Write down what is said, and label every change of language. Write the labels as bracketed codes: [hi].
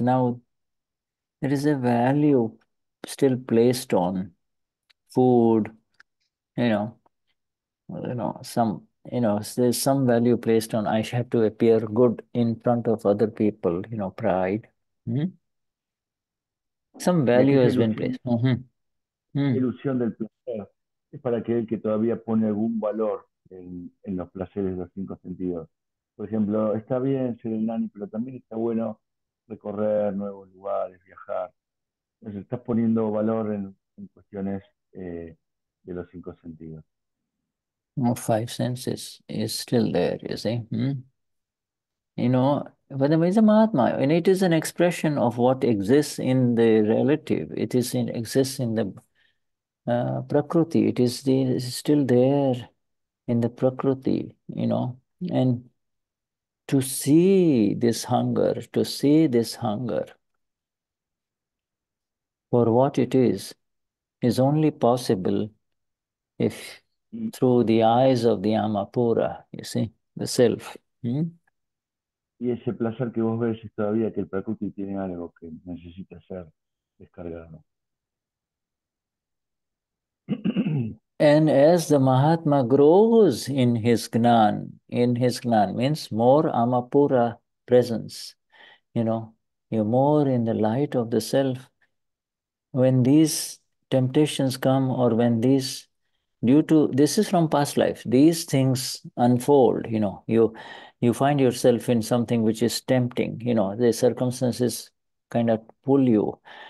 [en] Now, there is a value still placed on food, there's some value placed on, I have to appear good in front of other people, you know, pride. Mm-hmm. Some value has been placed. Mm-hmm. Mm. [es] Ilusión del placer es para aquel que todavía pone algún valor en los placeres de los cinco sentidos. Por ejemplo, está bien ser el nani, pero también está bueno recorrer nuevos lugares, viajar. Entonces, estás poniendo valor en cuestiones de los cinco sentidos. [en] Well, five senses is still there, you see. Mm. You know, but there is a Mahatma, and it is an expression of what exists in the relative. It is in, exists in the Prakriti, it is the, it's still there in the Prakriti, you know, and to see this hunger, to see this hunger for what it is only possible if through the eyes of the Amapura, you see, the self. [es] Y ese placer que vos ves es todavía que el Prakriti tiene algo que necesita ser descargado. [en] And as the Mahatma grows in his Gnan, means more Amapura presence, you know, you're more in the light of the self. When these temptations come, or when these, due to, this is from past life, these things unfold, you know, you find yourself in something which is tempting, you know, the circumstances kind of pull you.